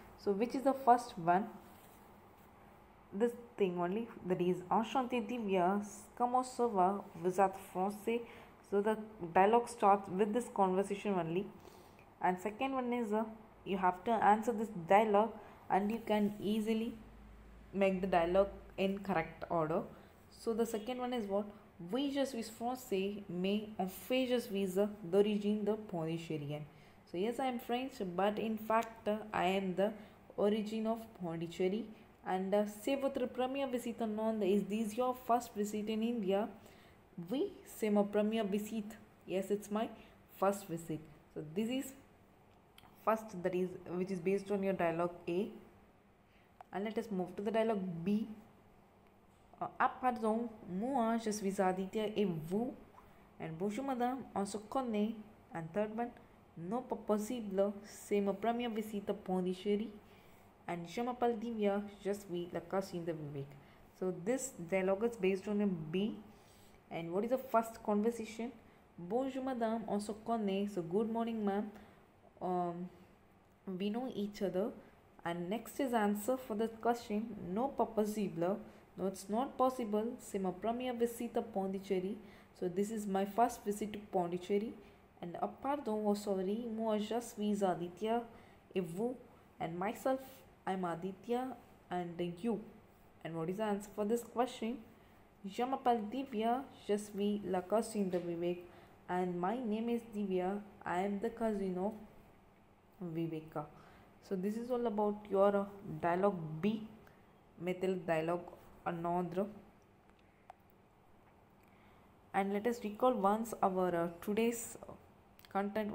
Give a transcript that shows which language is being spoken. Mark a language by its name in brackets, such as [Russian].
[English] So which is the first one? This thing only, that is [French] enchanté Divya, comment ça va, vous êtes français. [English] So the dialogue starts with this conversation only. And second one is you have to answer this dialogue and you can easily make the dialogue in correct order. So the second one is what? [French] Oui, je suis français, mais en fait, je suis d'origine de Pondichérienne. [English] So, yes, I am French, but in fact, I am the origin of Pondicherry. And, [French] c'est votre première visite en Inde. [English] Is this your first visit in India? [French] Oui, c'est ma première visite. [English] Yes, it's my first visit. So, this is first, that is, which is based on your dialogue A. And let us move to the dialogue B. [French] Ah pardon, moi je suis Aditya et vous? And bonjour madame, on se connaît? [English] And third one, [French] non pas possible, c'est ma première visite à Pondichéry. And je m'appelle Divya, je suis la cousine de Vivek. [English] So this dialogue is based on a B. And what is the first conversation? [French] Bonjour madame, on se connaît? [English] So good morning ma'am, we know each other. And next is answer for the question, [French] non pas possible. [English] No, it's not possible. [French] C'est ma première visite à Pondicherry. [English] So, this is my first visit to Pondicherry. And, pardon, oh sorry, [French] moi je suis Aditya et vous. [English] And myself, I'm Aditya and you. And what is the answer for this question? [French] Je m'appelle Divya, je suis la cousine de Vivek. [English] And my name is Divya, I am the cousin of Viveka. So, this is all about your dialogue B. Metal dialogue Anandra. And let us recall once our today's content.